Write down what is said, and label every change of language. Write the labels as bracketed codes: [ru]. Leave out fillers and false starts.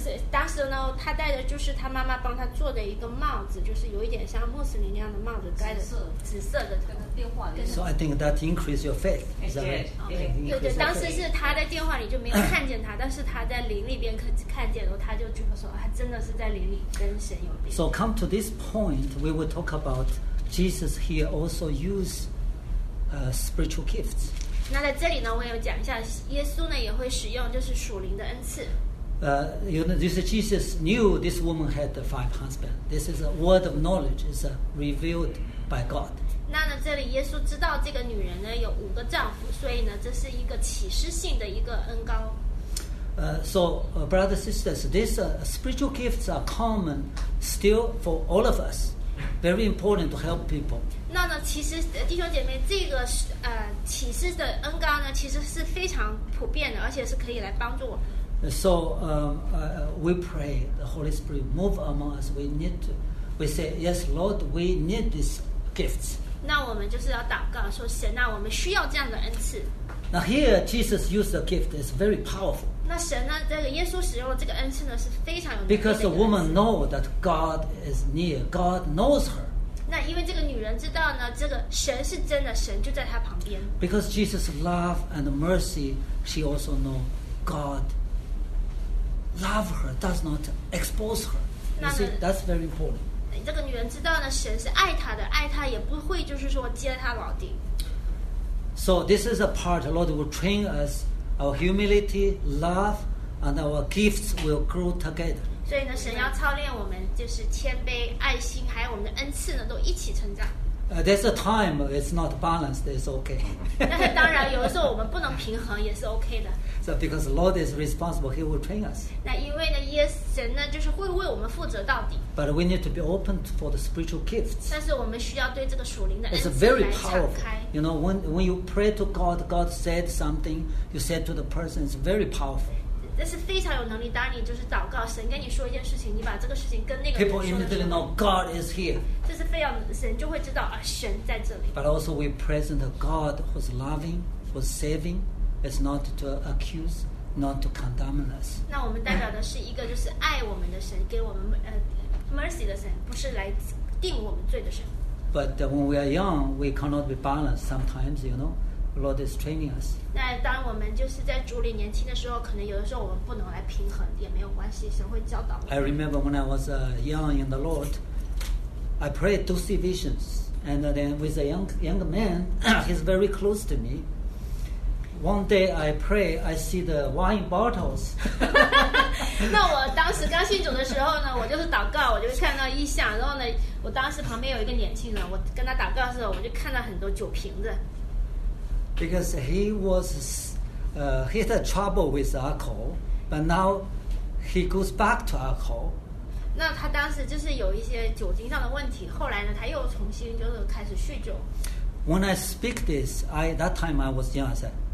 [zh] 当时呢，他戴的就是他妈妈帮他做的一个帽子，就是有一点像穆斯林那样的帽子，戴的紫色的，跟他电话里。 [en] So I think that increase your faith. Yeah. [zh] 对，当时是他在电话里就没有看见他，但是他在灵里边看见了，他就觉得说，他真的是在灵里跟神有联系。 [en] So come to this point, we will talk about Jesus here also use spiritual gifts. [zh] 那在这里呢，我要讲一下，耶稣呢也会使用就是属灵的恩赐。 [en] You know, this Jesus knew this woman had five husbands. This is a word of knowledge. It's revealed by God. [zh] 那呢，这里耶稣知道这个女人呢有五个丈夫，所以呢，这是一个启示性的一个恩膏。 [en] Brothers, sisters, these spiritual gifts are common still for all of us. Very important to help people. [zh] 那呢，其实弟兄姐妹，这个启示的恩膏呢，其实是非常普遍的，而且是可以来帮助我。 [en] So we pray the Holy Spirit move among us. We need to, we say, yes, Lord, we need these gifts. [zh] 那我们就是要祷告说，神啊，我们需要这样的恩赐。 [en] Now here Jesus used a gift that's very powerful. [zh] 那神呢，这个耶稣使用这个恩赐呢，是非常有能力。 [en] Because the woman know that God is near, God knows her. [zh] 那因为这个女人知道呢，这个神是真的，神就在她旁边。 [en] Because Jesus' love and mercy, she also know God love her, does not expose her. You see, that's very important. [zh] 这个女人知道呢，神是爱她的，爱她也不会就是说揭她老底。 [en] So this is a part the Lord will train us. Our humility, love, and our gifts will grow together. [zh] 所以呢，神要操练我们，就是谦卑、爱心，还有我们的恩赐呢，都一起成长。 [en] There's a time it's not balanced. It's okay. [zh] 但是当然，有的时候我们不能平衡，也是 OK 的。 [en] So because the Lord is responsible, He will train us. [zh] 那因为呢，耶神呢，就是会为我们负责到底。 [en] But we need to be open for the spiritual gifts. [zh] 但是我们需要对这个属灵的恩赐来敞开。 [en] It's very powerful. You know, when you pray to God, God said something. You said to the person, it's very powerful. [zh] 这是非常有能力。当你就是祷告，神跟你说一件事情，你把这个事情跟那个人说。 [en] People immediately know God is here. [zh] 这是非常神就会知道啊，神在这里。 [en] But also we present a God who's loving, who's saving. It's not to accuse, not to condemn us. [zh] 那我们代表的是一个就是爱我们的神，给我们mercy 的神，不是来定我们罪的神。 [en] But when we are young, we cannot be balanced. Sometimes, you know, the Lord is training us. [zh] 那当我们就是在主里年轻的时候，可能有的时候我们不能来平衡，也没有关系，神会教导我们。 [en] I remember when I was young in the Lord, I prayed to see visions, and then with a young man, he's very close to me. One day I pray, I see the wine bottles. [zh] 那我当时刚信主的时候呢，我就是祷告，我就看到异象。然后呢，我当时旁边有一个年轻人，我跟他祷告的时候，我就看到很多酒瓶子。 [en] Because he was, he had trouble with alcohol, but now he goes back to alcohol. [zh] 那他当时就是有一些酒精上的问题，后来呢，他又重新就是开始酗酒。 [en] When I speak this, that time I was young, I said.